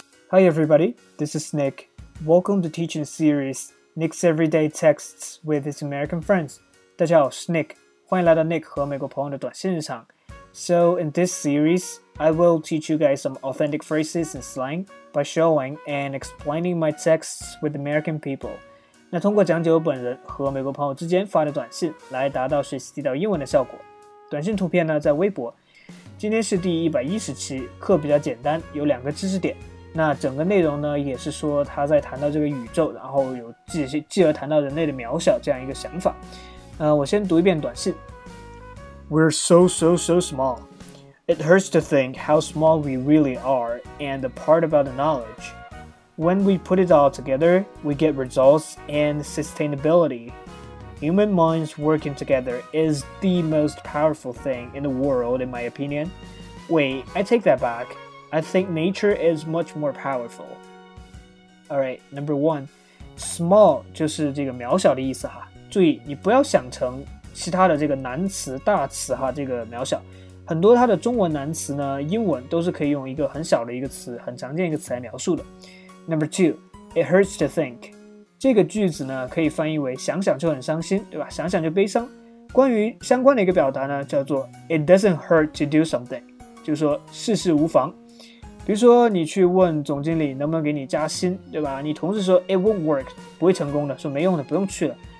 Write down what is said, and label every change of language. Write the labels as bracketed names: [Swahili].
[English] Hi everybody, this is Nick. Welcome to teaching series Nick's Everyday Texts with his American friends. [Chinese] 大家好，我是 Nick， 欢迎来到 Nick 和美国朋友的短信日常。 [English] So in this series, I will teach you guys some authentic phrases and slang by showing and explaining my texts with American people. [Chinese] 那通过讲解我本人和美国朋友之间发的短信来达到学习地道英文的效果。短信图片呢在微博。今天是第110期，课比较简单，有两个知识点。那整个内容呢也是说他在谈到这个宇宙，然后有继而谈到人类的渺小这样一个想法。我先读一遍短信。 [English] We're so, so, so small. It hurts to think how small we really are and the part about the knowledge. When we put it all together, we get results and sustainability. Human minds working together is the most powerful thing in the world, in my opinion. Wait, I take that back. I think nature is much more powerful. Alright, number one. [Chinese] Small 就是这个渺小的意思哈。注意，你不要想成其他的这个难词、大词哈，这个渺小。很多它的中文难词呢，英文都是可以用一个很小的一个词，很常见一个词来描述的。 [English] Number two, it hurts to think. [Chinese] 这个句子呢，可以翻译为想想就很伤心，对吧？想想就悲伤。关于相关的一个表达呢，叫做 [English] it doesn't hurt to do something. [Chinese] 就是说事事无妨。比如说你去问总经理能不能给你加薪，对吧？你同事说 [English] It won't work， [Chinese] 不会成功的，说没用的，不用去了。